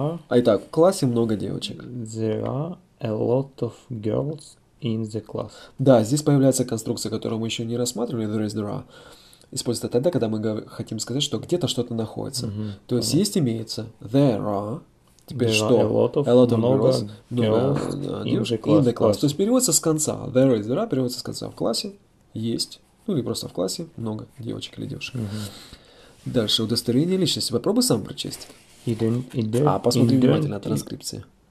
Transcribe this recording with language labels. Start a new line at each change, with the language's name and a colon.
Russian: Итак, в классе много девочек.
English: A lot of girls in the class.
Russian: Да, здесь появляется конструкция, которую мы еще не рассматривали,
English: there is, there are.
Russian: Используется тогда, когда мы хотим сказать, что где-то что-то находится. Mm-hmm. То есть есть, имеется,
English: there are,
Russian: теперь
English: there
Russian: что?
English: Are a lot of много girls, in the class.
Russian: То есть переводится с конца,
English: there is, there are,
Russian: переводится с конца. В классе есть, ну или просто в классе много девочек или девушек. Дальше, удостоверение личности. Попробуй сам прочесть. Посмотри внимательно от транскрипции.